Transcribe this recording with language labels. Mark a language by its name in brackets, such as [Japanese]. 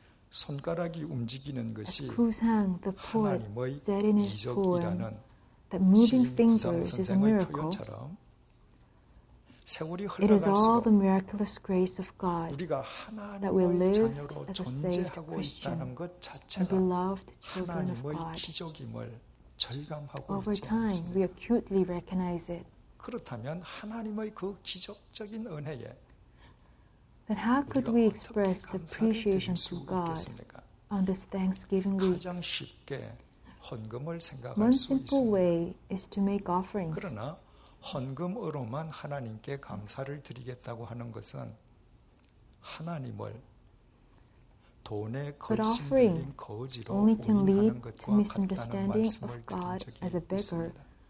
[Korean] 손가락이 움직이는 것이 하나님의 이적이라는 시인구상선생의 표현처럼 [English] It is all the miraculous grace of God that we live as a saved Christian and beloved children of God. Over time, we acutely recognize it. But how could we express the appreciation to God on this Thanksgiving week? [Korean] 헌금을 생각할 수 있습니다. 그러나 헌금으로만 하나님께 감사를 드리겠다고 하는 것은 하나님을 돈의 걸신들인 거지로 오인하는 것과 같다는 말씀을 드린 적이 있습니다.